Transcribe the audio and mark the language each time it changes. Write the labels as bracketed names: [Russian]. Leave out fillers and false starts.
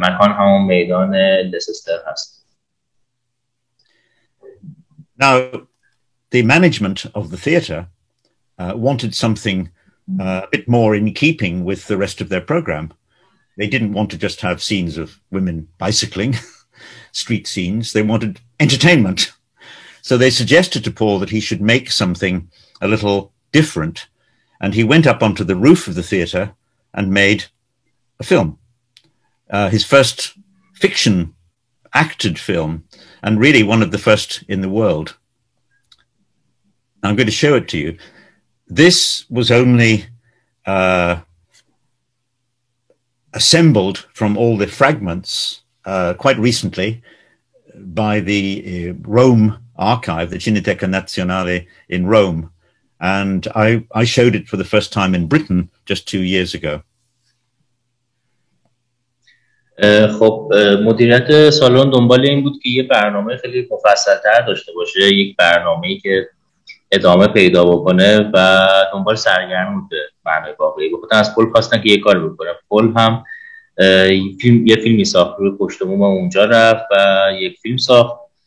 [Persian] مکان همون میدان لسستر هست. [English] Now, the management of the theatre wanted something a bit more in keeping with the rest of their program. They didn't want to just have scenes of women bicycling, street scenes. They wanted entertainment. So they suggested to Paul that he should make something a little different. And he went up onto the roof of the theatre and made a film. His first fiction acted film, and really one of the first in the world. I'm going to show it to you. This was only assembled from all the fragments quite recently by the Rome archive, the Cineteca Nazionale in Rome. And I showed it for the first time in Britain just 2 years ago. [Persian] خب مدیریت سالن دنبال این بود که یه برنامه خیلی مفصل‌تر داشته باشه، یک برنامه‌ای که ادامه پیدا بکنه و دنبال سرگرم بود به معنی واقعی. بخاطر از پول خواستن که یه کار بکنه. پول هم یه فیلمی ساخت، روی پشت بوم اونجا رفت و یک فیلم ساخت.